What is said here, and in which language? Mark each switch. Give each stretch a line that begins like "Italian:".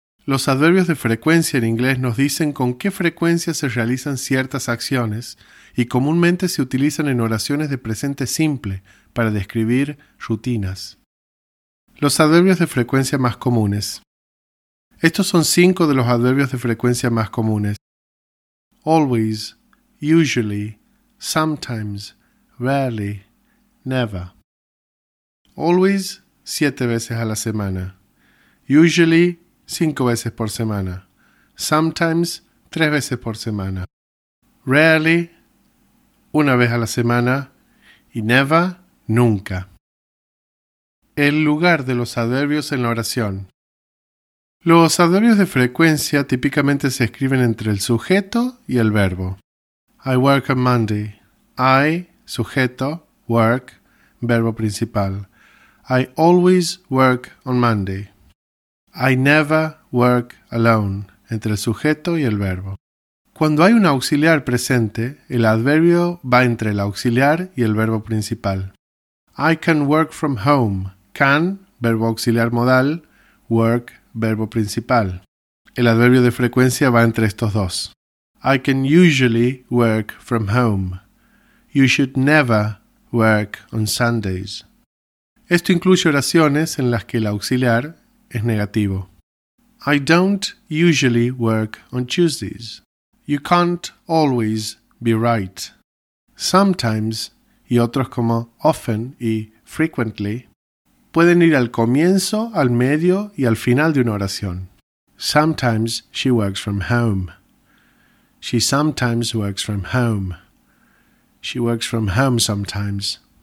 Spanish: Los adverbios de frecuencia en inglés nos dicen con qué frecuencia se realizan ciertas acciones y comúnmente se utilizan en oraciones de presente simple para describir rutinas. Los adverbios de frecuencia más comunes. Estos son 5 de los adverbios de frecuencia más comunes.
English: Always, usually, sometimes, rarely, never.
Spanish: Always, 7 veces a la semana. Usually, 5 veces por semana. Sometimes, 3 veces por semana. Rarely, 1 vez a la semana. Y never, nunca. El lugar de los adverbios en la oración. Los adverbios de frecuencia típicamente se escriben entre el sujeto y el verbo.
English: I work on Monday. I,
Spanish: sujeto,
English: work,
Spanish: verbo principal.
English: I always work on Monday. I never work alone,
Spanish: entre el sujeto y el verbo. Cuando hay un auxiliar presente, el adverbio va entre el auxiliar y el verbo principal.
English: I can work from home. Can,
Spanish: verbo auxiliar modal,
English: work,
Spanish: verbo principal. El adverbio de frecuencia va entre estos dos.
English: I can usually work from home. You should never work on Sundays.
Spanish: Esto incluye oraciones en las que el auxiliar es negativo.
English: I don't usually work on Tuesdays. You can't always be right.
Spanish: Sometimes, y otros como often y frequently, pueden ir al comienzo, al medio y al final de una oración.
English: Sometimes she works from home. She sometimes works from home. She works from home sometimes.